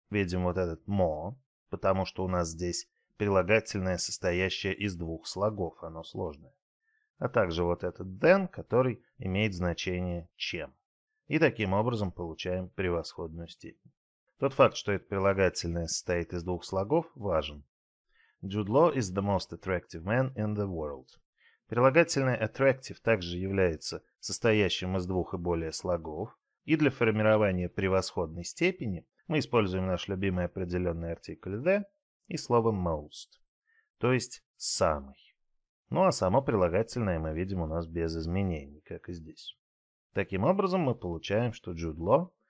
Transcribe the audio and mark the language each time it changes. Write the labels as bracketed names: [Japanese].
[Russian] Видим вот этот more, потому что у нас здесь прилагательное, состоящее из двух слогов. Оно сложное. А также вот этот than, который имеет значение чем. И таким образом получаем превосходную степень. Тот факт, что это прилагательное состоит из двух слогов, важен. [English] Jude Law is the most attractive man in the world. [Russian] Прилагательное attractive также является состоящим из двух и более слогов. И для формирования превосходной степени мы используем наш любимый определенный артикль the и слово most, то есть самый. Ну а само прилагательное мы видим у нас без изменений, как и здесь. Таким образом мы получаем, что Jude Law